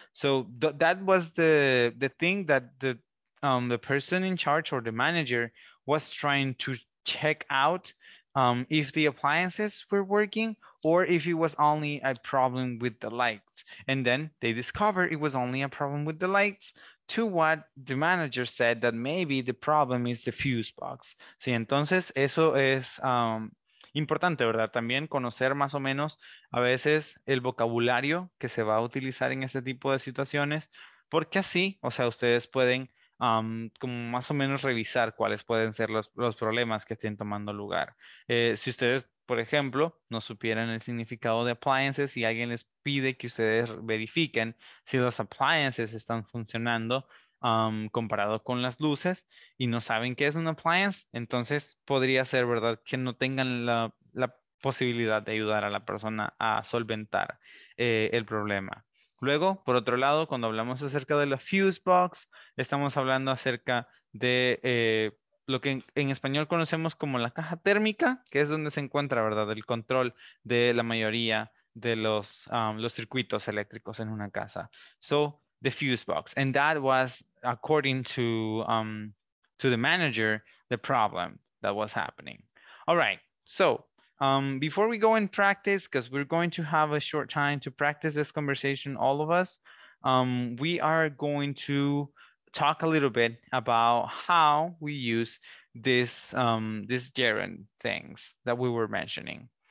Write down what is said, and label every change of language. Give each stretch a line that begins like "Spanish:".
English: So that was the thing that the person in charge or the manager was trying to check out, if the appliances were working or if it was only a problem with the lights. And then they discovered it was only a problem with the lights, to what the manager said that maybe the problem is the fuse box.
Spanish: Sí, entonces eso es importante, ¿verdad? También conocer más o menos a veces el vocabulario que se va a utilizar en ese tipo de situaciones, porque así, o sea, ustedes pueden como más o menos revisar cuáles pueden ser los problemas que estén tomando lugar. Si ustedes, por ejemplo, no supieran el significado de appliances y alguien les pide que ustedes verifiquen si las appliances están funcionando comparado con las luces y no saben qué es un appliance, entonces podría ser, ¿verdad?, que no tengan la posibilidad de ayudar a la persona a solventar el problema. Luego, por otro lado, cuando hablamos acerca de la fuse box, estamos hablando acerca de lo que en español conocemos como la caja térmica, que es donde se encuentra, ¿verdad?, el control de la mayoría de los circuitos eléctricos en una casa.
English: So, the fuse box. And that was, according to the manager, the problem that was happening. All right. So, before we go and practice, because we're going to have a short time to practice this conversation, all of us, we are going to talk a little bit about how we use this gerund things that we were mentioning.